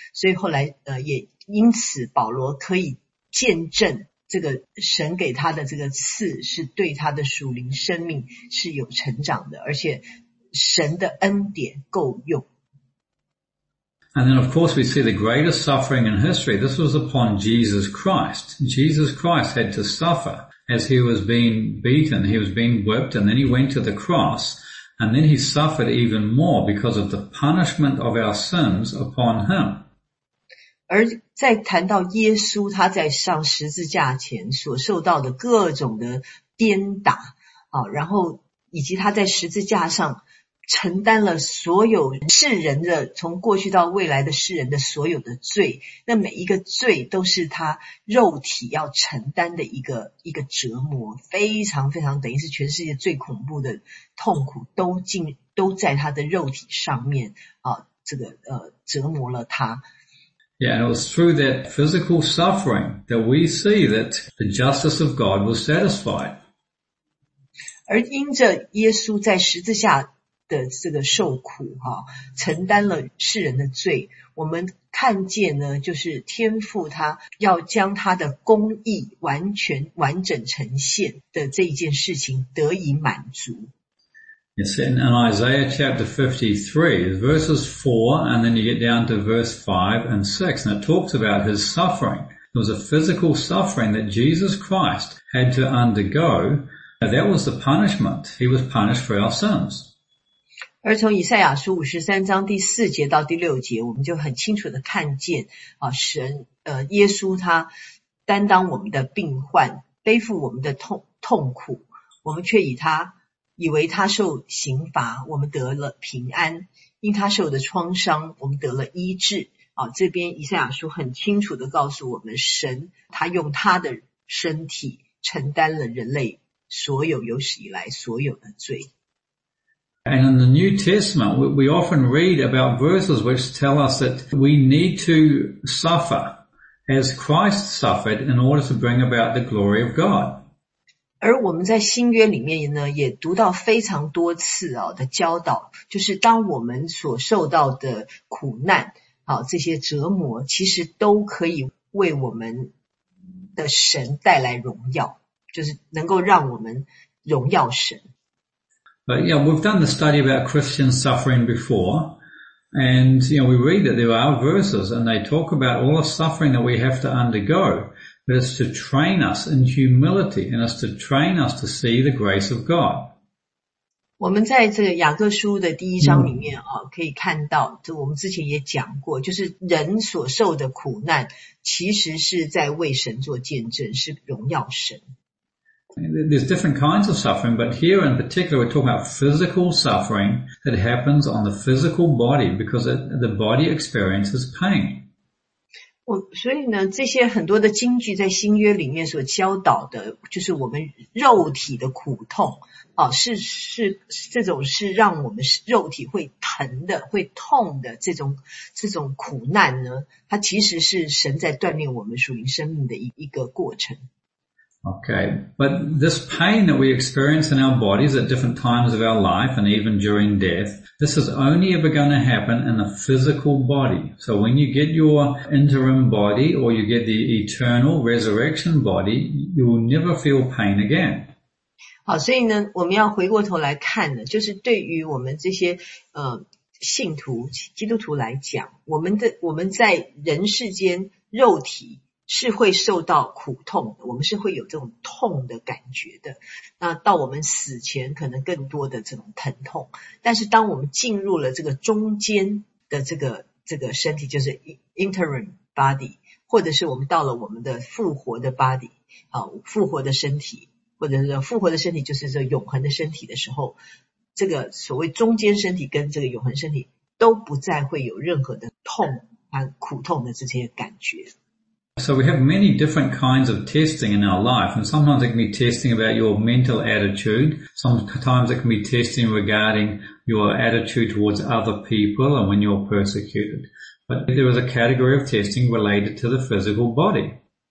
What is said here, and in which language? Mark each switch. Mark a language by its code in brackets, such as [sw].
[zh] 所以后来也因此保罗可以见证这个神给他的这个刺是对他的属灵生命是有成长的，而且神的恩典够用。 [en] And then of course we see the greatest suffering in history. This was upon Jesus Christ. Jesus Christ had to suffer as he was being beaten, he was being whipped, and then he went to the cross, and then he suffered even more because of the punishment of our sins upon him. [zh] 而在谈到耶稣他在上十字架前所受到的各种的鞭打，然后以及他在十字架上承担了所有世人的，从过去到未来的世人的所有的罪，那每一个罪都是他肉体要承担的一个折磨，非常非常，等于是全世界最恐怖的痛苦都在他的肉体上面，这个折磨了他。 [en] Yeah, and it was through that physical suffering that we see that the justice of God was satisfied. [zh] 而因着耶稣在十字架的这个受苦，承担了世人的罪，我们看见呢，就是天父他要将他的公义完全完整呈现的这一件事情得以满足。 [en] Yes, in Isaiah chapter 53, verses 4, and then you get down to verse 5 and 6, and it talks about his suffering. It was a physical suffering that Jesus Christ had to undergo. Now, that was the punishment. He was punished for our sins. [zh] 而从以赛亚书53章第4节到第6节，我们就很清楚的看见，神耶稣他担当我们的病患，背负我们的痛苦，我们却以为他受刑罚，我们得了平安，因他受的创伤，我们得了医治，这边以赛亚书很清楚的告诉我们，神他用他的身体承担了人类所有有史以来所有的罪。 [en] And in the New Testament, we often read about verses which tell us that we need to suffer as Christ suffered in order to bring about the glory of God. [zh] 而我们在新约里面呢，也读到非常多次的教导，就是当我们所受到的苦难，这些折磨其实都可以为我们的神带来荣耀，就是能够让我们荣耀神。 [en] But yeah, we've done the study about Christian suffering before, and you know, we read that there are verses and they talk about all the suffering that we have to undergo, but it's to train us in humility and it's to train us to see the grace of God. [zh] 我们在这个雅各书的第一章里面啊，可以看到，就我们之前也讲过，就是人所受的苦难，其实是在为神做见证，是荣耀神。 [en] There's different kinds of suffering, but here in particular, we're talking about physical suffering that happens on the physical body because the body experiences pain. [zh] 所以呢，这些很多的经句在新约里面所教导的，就是我们肉体的苦痛。是这种是让我们肉体会疼的会痛的这种苦难呢，它其实是神在锻炼我们属灵生命的一个过程。 [en] Okay, but this pain that we experience in our bodies at different times of our life and even during death, this is only ever going to happen in the physical body. So when you get your interim body or you get the eternal resurrection body, you will never feel pain again. [zh] 好，所以呢，我们要回过头来看呢，就是对于我们这些信徒、基督徒来讲，我们在人世间肉体是会受到苦痛的，我们是会有这种痛的感觉的。那到我们死前，可能更多的这种疼痛。但是当我们进入了这个中间的这个身体，就是 [en] interim body， [zh] 或者是我们到了我们的复活的 body， 复活的身体。或者是复活的身体就是这永恒的身体的时候，这个所谓中间身体跟这个永恒身体都不再会有任何的痛和苦痛的这些感觉。 [en] So we have many different kinds of testing in our life, and sometimes it can be testing about your mental attitude, sometimes it can be testing regarding your attitude towards other people and when you're persecuted, but there is a category of testing related to the physical body.